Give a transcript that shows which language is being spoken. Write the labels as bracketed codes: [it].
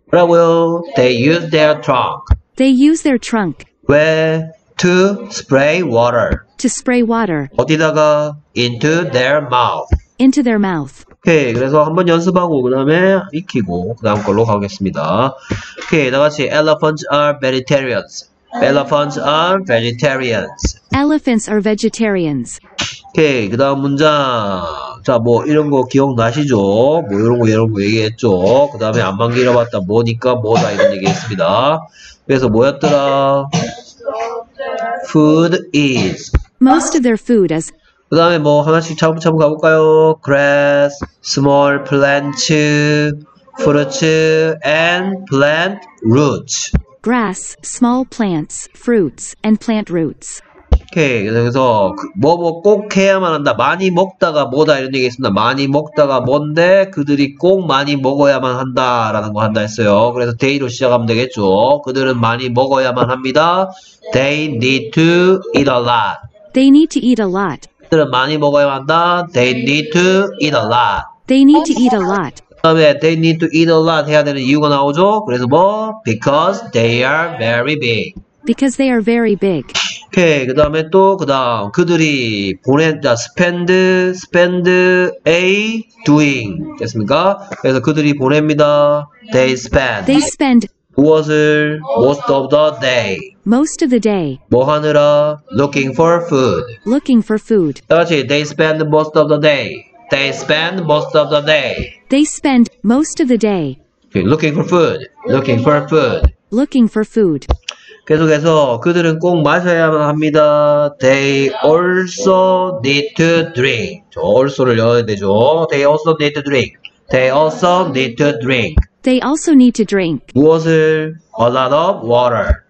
[ko] 뭐라고요? [en] They use their trunk. They use their trunk. [ko] 왜? [en] To spray water. To spray water. [ko] 어디다가? [en] Into their mouth. Into their mouth. [ko] 오케이. 그래서 한번 연습하고 그 다음에 익히고 그 다음 걸로 가겠습니다. 오케이. 다같이 [en] Elephants are vegetarians. Elephants are vegetarians. Elephants are vegetarians. [ko] 오케이. 그 다음 문장. 자, 뭐 이런 거 기억나시죠? 뭐 이런 거 여러분 얘기했죠? 그 다음에 안만 길어봤다 뭐니까 뭐다 이런 얘기했습니다. 그래서 뭐였더라? [en] Food is. Most of their food is. [ko] 그 다음에 뭐 하나씩 차분차분 가볼까요? [en] grass, small plants, fruits, and plant roots. grass, small plants, fruits, and plant roots. [ko] 오케이. 그래서 뭐뭐 꼭 해야만 한다. 많이 먹다가 뭐다 이런 얘기 했습니다. 많이 먹다가 뭔데 그들이 꼭 많이 먹어야만 한다 라는 거 한다 했어요. 그래서 day로 시작하면 되겠죠. 그들은 많이 먹어야만 합니다. [en] they need to eat a lot. they need to eat a lot. [ko] 그들은 많이 먹어야 한다. [en] They need to eat a lot. They need to eat a lot. [ko] 그다음에 [en] they need to eat a lot [ko] 해야 되는 이유가 나오죠. 그래서 뭐? [en] Because they are very big. Because they are very big. [ko] 오케이. 그다음에 또 그다음 그들이 보낸다. [en] Spend a doing. [ko] 됐습니까? 그래서 그들이 보냅니다. [en] They spend. They spend. [ko] 무엇을? [en] Most of the day. Most of the day. [ko] 뭐 하느라? [en] Looking for food. Looking for food. [ko] 다같이 [en] They spend most of the day. They spend most of the day. They spend most of the day. Okay, looking for food. Looking for food. Looking for food. [ko] 계속해서 그들은 꼭 마셔야만 합니다. [en] They also need to drink. [ko] 저 also를 넣어야 되죠. [en] They also need to drink. They also need to drink. They also need to drink. [ko] 무엇을? [en] A lot of water.